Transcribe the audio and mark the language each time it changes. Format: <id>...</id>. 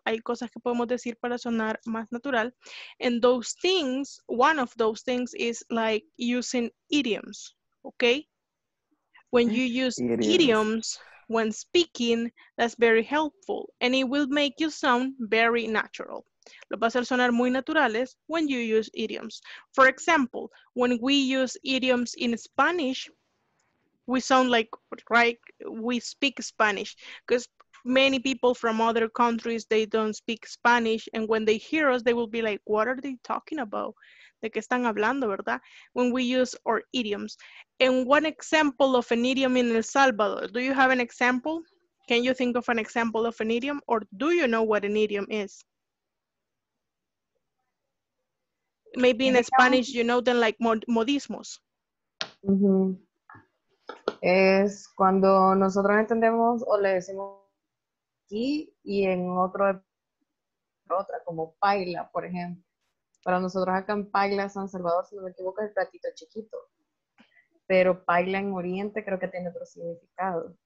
<es>Hay cosas que podemos decir para sonar más natural.</es> <en>And those things, one of those things is like using idioms, okay? When you use idioms when speaking, that's very helpful. And it will make you sound very natural.</en> <es>Lo va a hacer sonar muy naturales</es> <en>when you use idioms. For example, when we use idioms in Spanish, we sound like, right, we speak Spanish. Because many people from other countries, they don't speak Spanish. And when they hear us, they will be like, what are they talking about?</en> <es>De qué están hablando, ¿verdad?</es> <en>When we use our idioms. And one example of an idiom in El Salvador. Do you have an example? Can you think of an example of an idiom? Or do you know what an idiom is? Maybe in Spanish, you know them like modismos. Mm-hmm.</en> <es>Es cuando nosotros entendemos o le decimos aquí y en otro, otra, como paila, por ejemplo. Para nosotros acá en Paila, San Salvador, si no me equivoco, es el platito chiquito. Pero Paila en Oriente creo que tiene otro significado.</es>